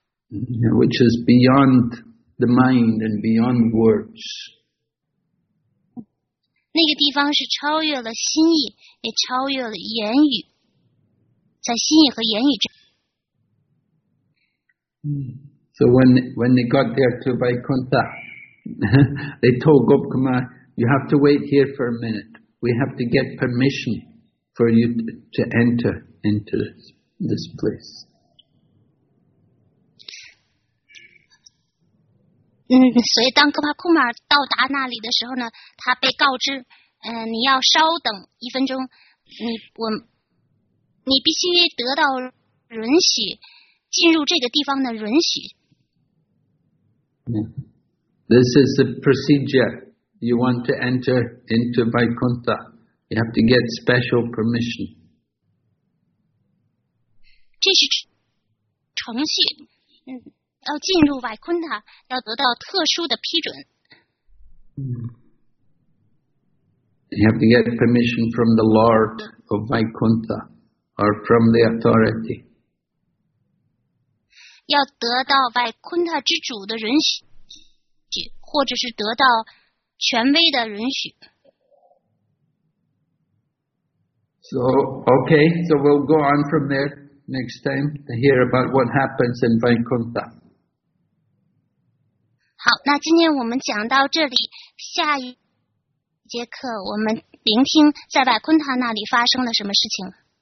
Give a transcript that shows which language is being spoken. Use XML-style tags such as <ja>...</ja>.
<en>Which is beyond the mind and beyond words.</en> <zh>那个地方是超越了心意，也超越了言语。在心意和言语之。</zh> <en>So when they got there to Vaikuntha, they told Gopkumar, "You have to wait here for a minute. We have to get permission for you to enter into this place."</en> <zh>所以当格巴库马到达那里的时候呢，他被告知，你要稍等一分钟，你必须得到允许进入这个地方的允许。</zh> <en>This is the procedure. You want to enter into Vaikuntha. You have to get special permission.</en> <zh>这是程序。要进入瓦昆塔，要得到特殊的批准。</zh> <en>You have to get permission from the Lord of Vaikuntha or from the authority.</en> <zh>要得到瓦昆塔之主的允许，或者是得到权威的允许。</zh> <en>So, okay, so we'll go on from there next time to hear about what happens in Vaikuntha.</en> <zh>好，那今天我们讲到这里，下一节课我们聆听在瓦昆塔那里发生了什么事情。</zh>